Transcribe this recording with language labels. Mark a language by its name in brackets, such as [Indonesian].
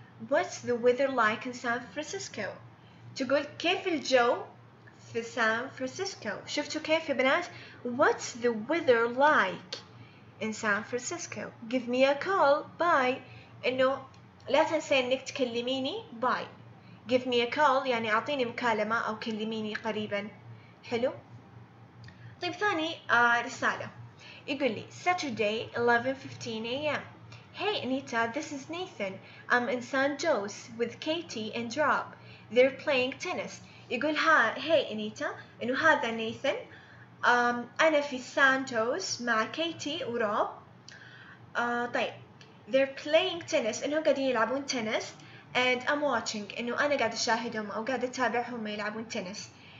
[English] What's the weather like in San Francisco؟ [Arabic] تقول كيف الجو في سان فرانسيسكو؟ شفتوا كيف يا بنات؟ [English] What's the weather like in San Francisco؟ Give me a call. Bye. [Arabic] إنه لا تنسي إنك تكلميني. Bye. [English] Give me a call [Arabic] يعني أعطيني مكالمة أو كلميني قريبا. حلو. طيب ثاني رسالة يقول لي Saturday 11:15 AM. [English] Hey Anita, this is Nathan. I'm in San Jose with Katie and Rob. They're playing tennis. [Arabic] يقول ها [English] Hey Anita [Arabic] إنه هذا Nathan. أنا في سان جوز مع كيتي وروب. طيب [English] They're playing tennis [Arabic] إنهم قاعدين يلعبون تنس. [English] And I'm watching [Arabic] إنه أنا قاعدة أشاهدهم أو قاعدة أتابعهم يلعبون تنس.